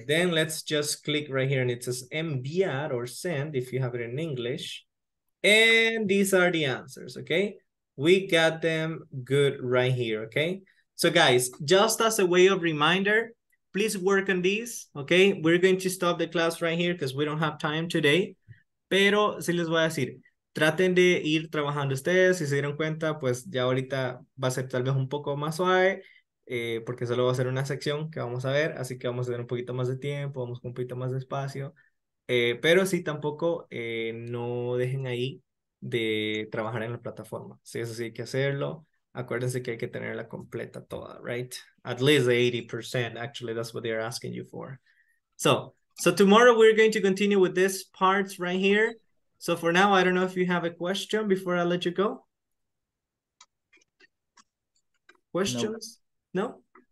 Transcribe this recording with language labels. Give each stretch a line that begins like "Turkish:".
English: Then let's just click right here and it says enviar or send if you have it in English. And these are the answers, okay? We got them good right here, okay? So guys, just as a way of reminder, please work on these, okay? We're going to stop the class right here because we don't have time today.
Spanish: Pero sí les voy a decir, traten de ir trabajando ustedes. Si se dieron cuenta, pues ya ahorita va a ser tal vez un poco más suave. Porque solo va a ser una sección que vamos a ver, así que vamos a tener un poquito más de tiempo, vamos con un poquito más de espacio, pero sí, tampoco no dejen ahí de trabajar en la plataforma, si eso sí hay que hacerlo, acuérdense que hay que tenerla completa toda,
English: right? At least 80%, actually, that's what they're asking you for. So tomorrow we're going to continue with this part right here. So for now, I don't know if you have a question before I let you go. Questions? No.